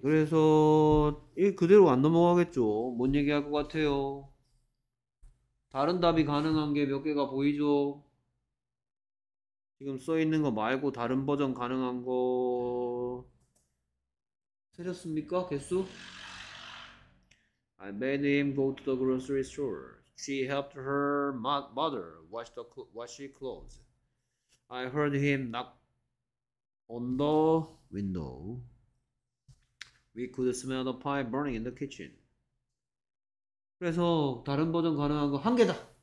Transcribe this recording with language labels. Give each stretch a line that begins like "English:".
Korean: 그래서 이 그대로 안 넘어가겠죠. 뭔 얘기할 것 같아요? 다른 답이 가능한 게 몇 개가 보이죠? 지금 써 있는 거 말고 다른 버전 가능한 거 세렸습니까? 개수?
English: I made him go to the grocery store. She helped her mother wash the wash her clothes. I heard him knock on the window. We could smell the pie burning in the kitchen.
Korean: 그래서 다른 버전 가능한 거 한 개다.